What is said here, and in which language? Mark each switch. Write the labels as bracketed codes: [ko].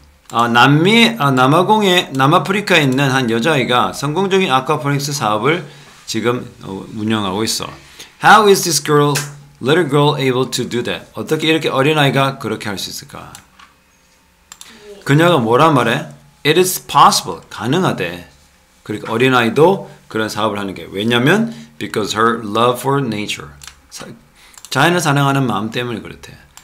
[ko] 남미 남아공에 남아프리카에 있는 한 여자아이가 성공적인 아쿠아포닉스 사업을 지금 운영하고 있어. [en] How is this girl, little girl able to do that? [ko] 어떻게 이렇게 어린아이가 그렇게 할 수 있을까? 그녀가 뭐라 말해? [en] It is possible. [ko] 가능하대. 그리고 어린아이도 그런 사업을 하는 게 왜냐면 [en] because her love for nature. [ko] 자연을 사랑하는 마음 때문에 그렇대.